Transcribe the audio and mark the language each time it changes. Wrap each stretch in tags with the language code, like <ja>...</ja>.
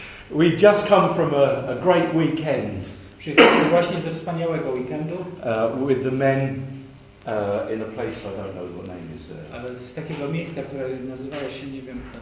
<en>We've just come from a great weekend.</en> <pl>Przyjechaliśmy właśnie ze wspaniałego weekendu.</pl> <en>With the men in a place I don't know what name is there.</en> <pl>Ale z takiego miejsca, które nazywało się, nie wiem.</pl>